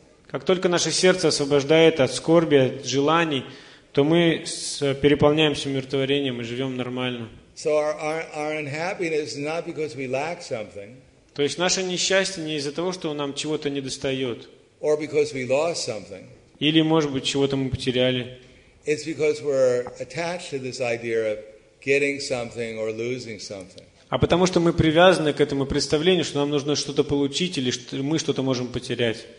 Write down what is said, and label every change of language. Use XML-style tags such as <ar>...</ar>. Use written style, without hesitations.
<ru>Как только наше сердце освобождает от скорби, от желаний, то мы переполняемся умиротворением и живем нормально.</ru> <en>So our unhappiness is not because we lack something.</en> <ru>То есть наше несчастье не из-за того, что нам чего-то недостает.</ru> <en>Or because we lost something.</en> <ru>Или, может быть, чего-то мы потеряли.</ru> <en>It's because we're attached to this idea of getting something or losing something.</en> <ru>А потому что мы привязаны к этому представлению, что нам нужно что-то получить или что мы что-то можем потерять.</ru>